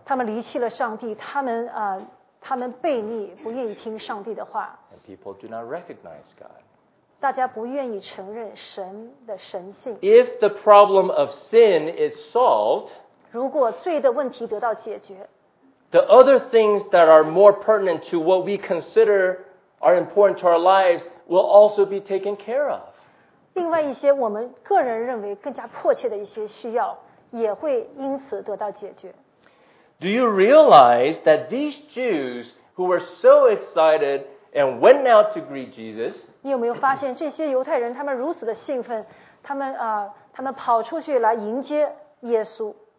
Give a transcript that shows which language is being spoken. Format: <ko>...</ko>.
<zh>他们离弃了上帝，他们悖逆，不愿意听上帝的话。</zh> <en>And people do not recognize God.</en> <zh>大家不愿意承认神的神性。</zh> <en>If the problem of sin is solved,</en> <zh>如果罪的问题得到解决，</zh> <en>the other things that are more pertinent to what we consider are important to our lives. Will also be taken care of.</en> <zh>另外一些我们个人认为更加迫切的一些需要也会因此得到解决。</zh> <en>Do you realize that these Jews who were so excited and went out to greet Jesus?</en> <zh>你有没有发现这些犹太人他们如此的兴奋，他们他们跑出去来迎接耶稣。</zh>